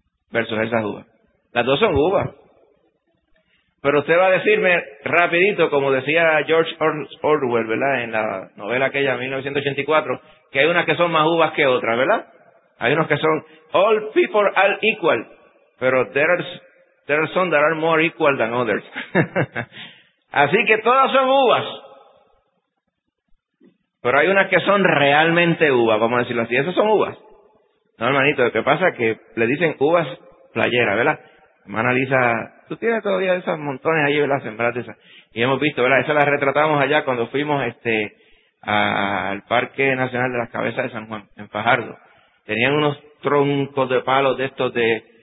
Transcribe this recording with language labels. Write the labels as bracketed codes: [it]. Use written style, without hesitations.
[es] Versus esas uvas. Las dos son uvas. Pero usted va a decirme rapidito, como decía George Orwell, ¿verdad? En la novela aquella, 1984, que hay unas que son más uvas que otras, ¿verdad? Hay unos que son [en] all people are equal, [es] pero [en] there are some that are more equal than others. [es] Así que todas son uvas. Pero hay unas que son realmente uvas, vamos a decirlo así. Esas son uvas. No, hermanito, lo que pasa es que le dicen uvas playera, ¿verdad? Hermana Lisa, tú tienes todavía esas montones ahí, ¿verdad? Sembradas esas. Y hemos visto, ¿verdad? Esas las retratamos allá cuando fuimos al Parque Nacional de las Cabezas de San Juan, en Fajardo. Tenían unos troncos de palos de estos de